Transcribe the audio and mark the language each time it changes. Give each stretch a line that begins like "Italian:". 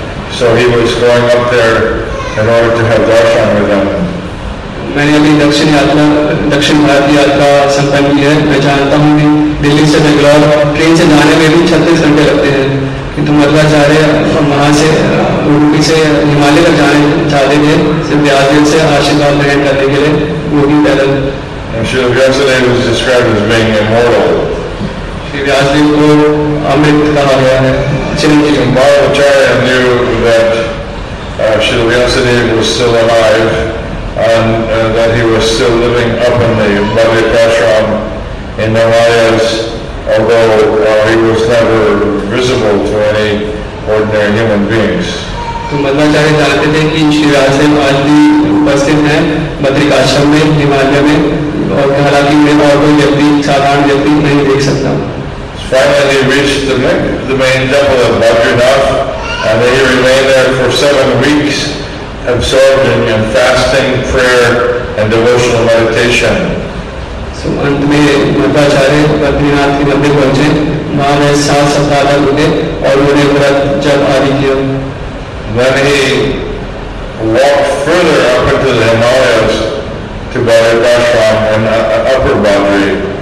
English: So he was going up there in order to have darshan with them.
Hindi: मैंने अभी दक्षिण यात्रा दक्षिण भारत की यात्रा संपन्न की है। मैं जानता हूँ कि दिल्ली से बैंगलोर ट्रेन से जाने में भी 36 घंटे लगते हैं किंतु मध्वाचार्य वहाँ से उड़ुपी से हिमालय तक जाने चाहते थे सिर्फ व्यास देव से आशीर्वाद ग्रहण करने के लिए वो भी पैदल।
English: Shri Vyas Dev is described as being immortal.
Hindi: Shri Vyas Dev को अमृत कहा गया है।
English: Madhavacharya knew that Srila Vyasadeva was still alive and that he was still living up in the Madhyakashram in the Himalayas, although he was never visible to any ordinary human beings. So Madhvacharya knew that Srila Vyasadeva was still alive in the Madhyakashram in the Himalayas, although he was never visible to any ordinary human beings. Finally, he reached the main temple of Badrinath, and he remained there for 7 weeks, absorbed in fasting, prayer, and devotional meditation.
Hindi: So, अंत में मध्वाचार्य बद्रीनाथ के मंदिर पहुँचे, वहाँ वे 7 सप्ताह तक रुके और उन्होंने व्रत जप आदि किया।
English: Then he walked further up into the Himalayas to Badrikashram and upper Badri.